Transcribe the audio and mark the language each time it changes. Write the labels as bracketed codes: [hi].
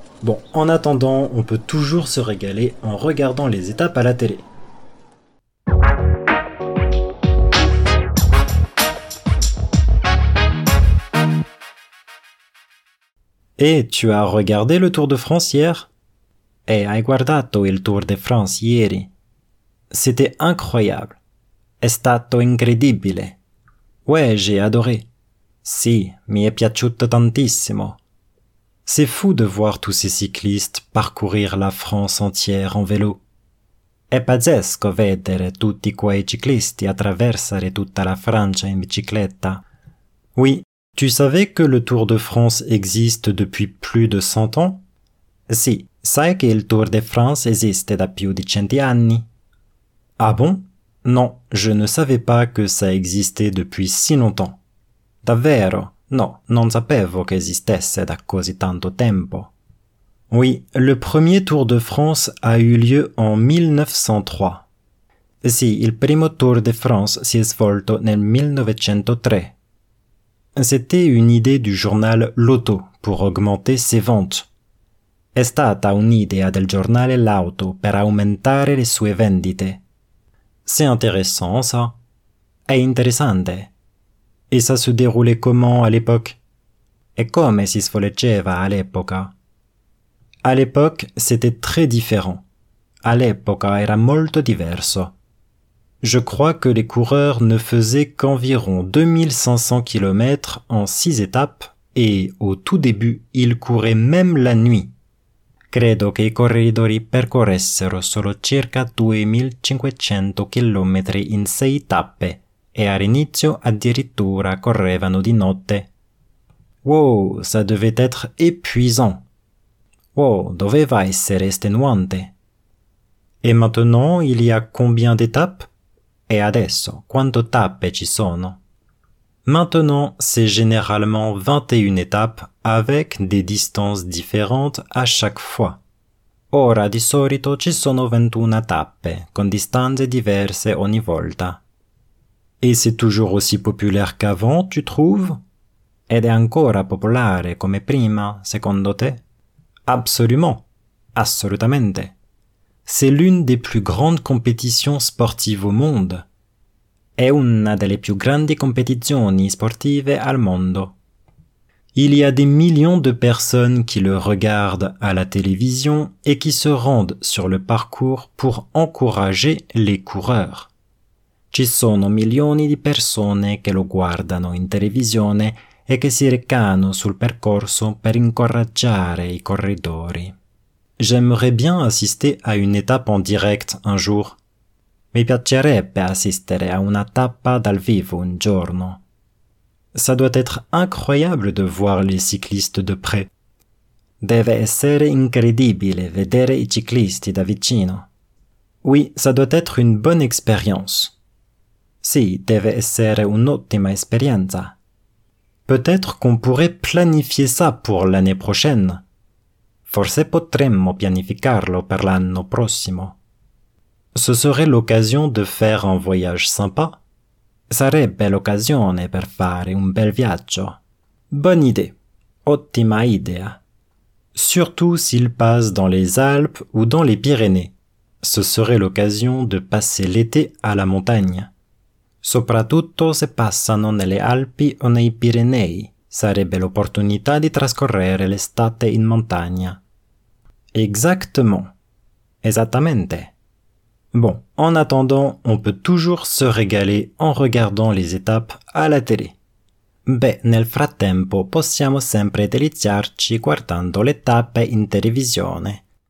[fr] Bon, en attendant, on peut toujours se régaler en regardant les étapes à la télé. Et tu as regardé le Tour de France hier ? [it] E hai guardato il Tour de France ieri. [fr] C'était incroyable. [it] È stato incredibile. [fr] Ouais, j'ai adoré. [it] Sì, mi è piaciuto tantissimo. [fr] C'est fou de voir tous ces cyclistes parcourir la France entière en vélo. [it] È pazzesco vedere tutti quei ciclisti attraversare tutta la Francia in bicicletta. [fr] Oui, tu savais que le Tour de France existe depuis plus de 100 ans? [it] Sì, sai che il Tour de France esiste da più di 100 anni. [fr] Ah bon? Non, je ne savais pas que ça existait depuis si longtemps. [it] Davvero? No, non sapevo che esistesse da così tanto tempo. [fr] Oui, le premier Tour de France a eu lieu en 1903. [it] Sì, il primo Tour de France si è svolto nel 1903. [fr] C'était une idée du journal Lotto pour augmenter ses ventes. [it] È stata un'idea del giornale Lotto per aumentare le sue vendite. [fr] C'est intéressant, ça. [it] È interessante. [fr] Et ça se déroulait comment à l'époque ? [it] E come si svolgeva all'epoca ? [fr] À l'époque, c'était très différent. [it] All'epoca era molto diverso. [fr] Je crois que les coureurs ne faisaient qu'environ 2500 km en 6 étapes et au tout début, ils couraient même la nuit. [it] Credo che i corridori percorressero solo circa 2500 km in 6 tappe. E all'inizio addirittura correvano di notte. [fr] Wow, ça devait être épuisant. [it] Wow, doveva essere estenuante. [fr] Et maintenant, il y a combien d'étapes? [it] E adesso, quante tappe ci sono? [fr] Maintenant, c'est généralement 21 étapes avec des distances différentes à chaque fois. [it] Ora di solito ci sono 21 tappe, con distanze diverse ogni volta. [fr] Et c'est toujours aussi populaire qu'avant, tu trouves ? [it] Ed è ancora popolare come prima, secondo te ? [fr] Absolument. [it] Assolutamente. [fr] C'est l'une des plus grandes compétitions sportives au monde. [it] È una delle più grandi competizioni sportive al mondo. [fr] Il y a des millions de personnes qui le regardent à la télévision et qui se rendent sur le parcours pour encourager les coureurs. [it] Ci sono milioni di persone che lo guardano in televisione e che si recano sul percorso per incoraggiare i corridori. [fr] J'aimerais bien assister à une étape en direct un jour. [it] Mi piacerebbe assistere a una tappa dal vivo un giorno. [fr] Ça doit être incroyable de voir les cyclistes de près. [it] Deve essere incredibile vedere i ciclisti da vicino. [fr] Oui, ça doit être une bonne expérience. [it] Sì, deve essere un'ottima esperienza. [fr] Peut-être qu'on pourrait planifier ça pour l'année prochaine. [it] Forse potremmo pianificarlo per l'anno prossimo. [fr] Ce serait l'occasion de faire un voyage sympa. [it] Sarebbe l'occasione per fare un bel viaggio. [fr] Bonne idée. [it] Ottima idea. [fr] Surtout s'il passe dans les Alpes ou dans les Pyrénées. Ce serait l'occasion de passer l'été à la montagne. [it] Soprattutto se passano nelle Alpi o nei Pirenei, sarebbe l'opportunità di trascorrere l'estate in montagna. [fr] Exactement. [it] Esattamente. [fr] Bon, en attendant, on peut toujours se régaler en regardant les étapes à la télé. [it] Beh, nel frattempo, possiamo sempre deliziarci guardando le tappe in televisione.